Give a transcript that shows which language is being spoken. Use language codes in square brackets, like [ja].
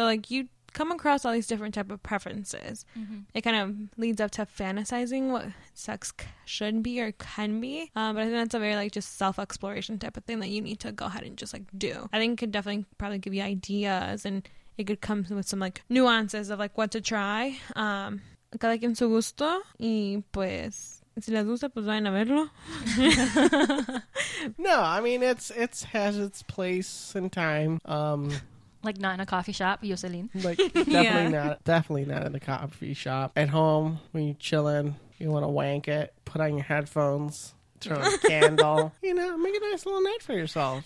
[en] So like you come across all these different type of preferences. Mm-hmm. It kind of leads up to fantasizing what sex should be or can be. But I think that's a very like just self-exploration type of thing that you need to go ahead and just like do. I think it could definitely probably give you ideas, and it could come with some like nuances of like what to try. [es] Cada quien su gusto, y pues si les gusta, pues vayan a verlo. [en] No, I mean it's has its place and time. Like not in a coffee shop, Yoseline. Like definitely yeah. Not, definitely not in a coffee shop. At home, when you're chilling, you want to wank it, put on your headphones, turn on a candle. You know, make a nice little night for yourself.